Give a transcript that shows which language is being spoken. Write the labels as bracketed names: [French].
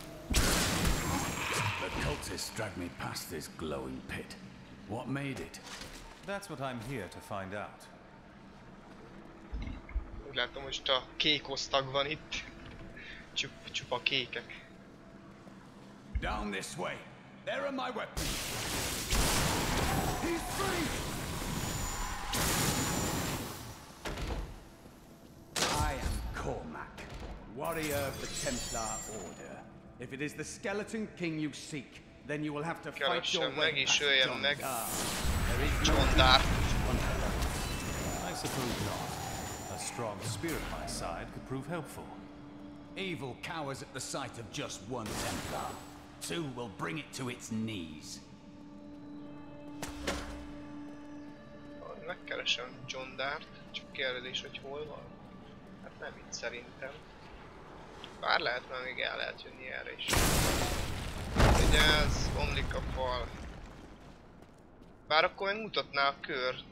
[English] The cultists dragged me past this glowing pit. What made it? That's what I'm here to find out. [Hungarian] Úgy látom, most a kék osztag van itt. Csupa kékek. [English] Down this way. There are my weapons. He's free. I am Cormac, warrior of the Templar Order. If it is the Skeleton King you seek, then you will have to fight your way past John Darth. John Darth. I suppose not. A strong spear at my side could prove helpful. Evil cowers at the sight of just one Templar. Two will bring it to its knees. [Hungarian] Megkeresem John Dart, csak kérdés, hogy hol van. Hát nem itt szerintem. Bár lehet, mert még el lehet jönni erre is. Egy ugye ez omlik a fal. Bár akkor meg mutatná a kör.